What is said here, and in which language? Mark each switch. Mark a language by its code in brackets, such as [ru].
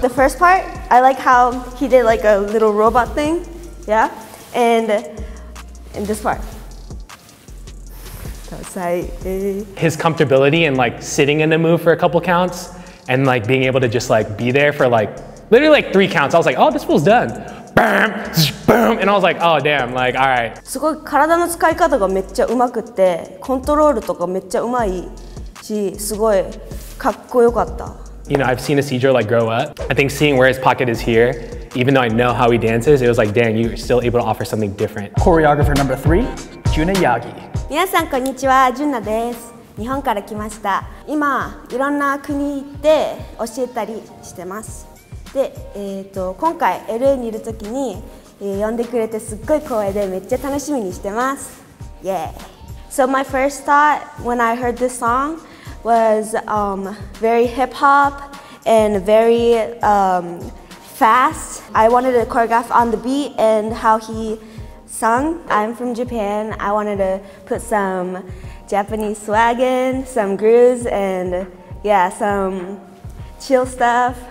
[en] The first part, I like how he did like a little robot thing, yeah? And in this part. His comfortability and like sitting in the move for a couple counts and like being able to just like be there for like literally like three counts. I was like, oh, this fool's done. Bam, boom, and I was like, oh damn, like, all right. [ja] すごい体の使い方がめっちゃうまくて、コントロールとかめっちゃうまいし、すごいかっこよかった。 [en] You know, I've seen Isidro like grow up. I think seeing where his pocket is here, even though I know how he dances, it was like, damn, you're still able to offer something different. Choreographer number three, Junna Yagi. [ja] 皆さんこんにちは、Junnaです。日本から来ました。今、いろんな国行って教えたりしてます。で、今回 LA にいるときに、呼んでくれてすっごい光栄でめっちゃ楽しみにしてます。 [en] Yeah. So my first thought when I heard this song was very hip hop and very fast. I wanted to choreograph on the beat and how he sung. I'm from Japan. I wanted to put some Japanese swag in, some grooves and yeah, some chill stuff.